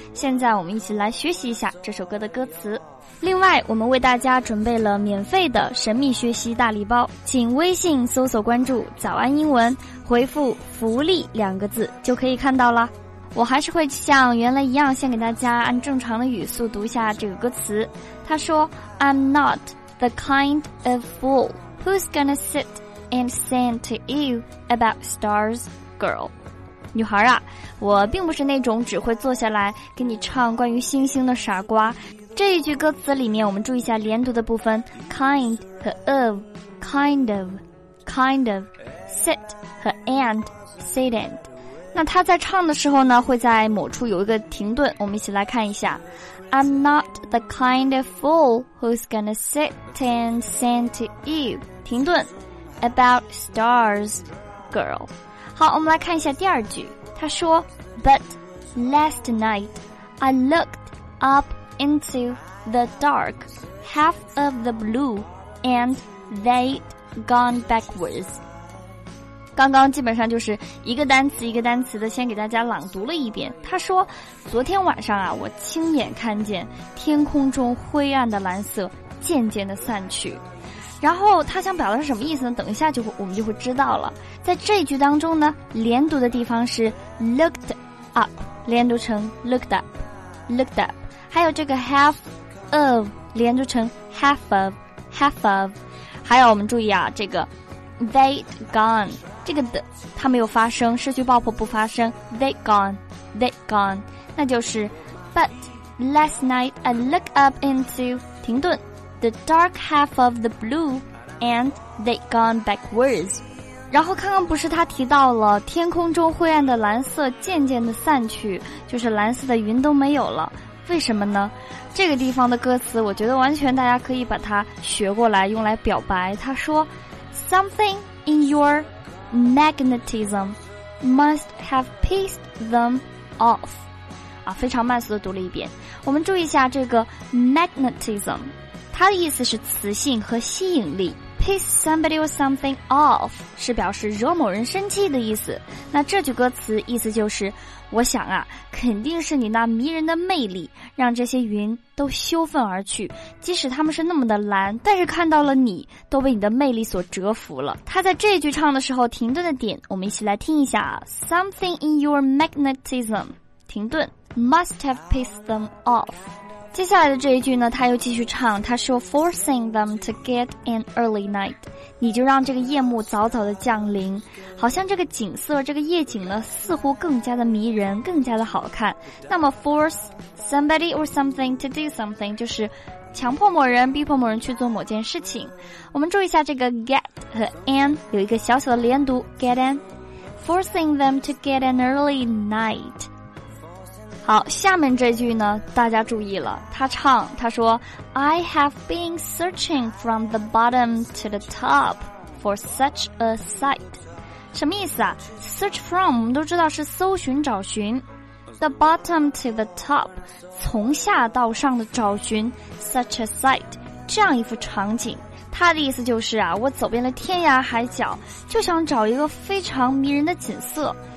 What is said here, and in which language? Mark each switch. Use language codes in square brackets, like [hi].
[zh] 现在我们一起来学习一下这首歌的歌词。另外，我们为大家准备了免费的神秘学习大礼包，请微信搜索关注早安英文，回复福利两个字就可以看到了。我还是会像原来一样，先给大家按正常的语速读一下这个歌词。他说 [en] I'm not the kind of fool who's gonna sit and sing to you about stars, girl. [zh] 女孩啊，我并不是那种只会坐下来给你唱关于星星的傻瓜。这一句歌词里面，我们注意一下连读的部分 ，kind 和 of，kind of，sit 和 and，sit and。那他在唱的时候呢，会在某处有一个停顿，我们一起来看一下 ， [en] I'm not the kind of fool who's gonna sit and sing to you。 [zh] 停顿 ，about stars, girl。好，我们来看一下第二句，他说 ， [en] But last night I looked up。 Into the dark, half of the blue, and they'd gone backwards. [zh] 刚刚基本上就是一个单词一个单词的先给大家朗读了一遍。他说，昨天晚上啊，我亲眼看见天空中灰暗的蓝色渐渐的散去。然后他想表达什么意思呢？等一下就会我们就会知道了。在这句当中呢，连读的地方是 looked up， 连读成 looked up， looked up。还有这个 half of 连读成 half of half of， 还有我们注意啊，这个 they'd gone 这个的它没有发声，失去爆破不发声 they'd gone， 那就是 [en] but last night I look up into 停顿 the dark half of the blue and they'd gone backwards。 [zh] 然后刚刚不是他提到了天空中灰暗的蓝色渐渐的散去，就是蓝色的云都没有了，为什么呢？这个地方的歌词我觉得完全大家可以把它学过来用来表白。他说 [en] Something in your magnetism must have pissed them off、 [zh] 啊、非常慢速的读了一遍。我们注意一下这个 magnetism， 它的意思是磁性和吸引力。 [en] Piss somebody or something off 是表示惹某人生气的意思。 [zh] 那这句歌词意思就是，我想啊，肯定是你那迷人的魅力让这些云都羞愤而去，即使他们是那么的蓝，但是看到了你都被你的魅力所折服了。他在这句唱的时候停顿的点，我们一起来听一下 [en] Something in your magnetism [zh] 停顿 [en] must have pissed them off。 [zh] 接下来的这一句呢，他又继续唱，他说 [en] forcing them to get an early night， [zh] 你就让这个夜幕早早的降临，好像这个景色这个夜景呢似乎更加的迷人更加的好看。那么 force somebody or something to do something 就是强迫某人逼迫某人去做某件事情。我们注意一下这个 get 和 an 有一个小小的连读 get an [en] forcing them to get an early night。 [zh] 好，下面这句呢大家注意了，他唱，他说 [en] I have been searching from the bottom to the top for such a sight。 [zh] 什么意思啊？ search from 我们都知道是搜寻找寻， [en] the bottom to the top [zh] 从下到上的找寻 [en] such a sight [zh] 这样一幅场景，它的意思就是啊，我走遍了天涯海角就想找一个非常迷人的景色。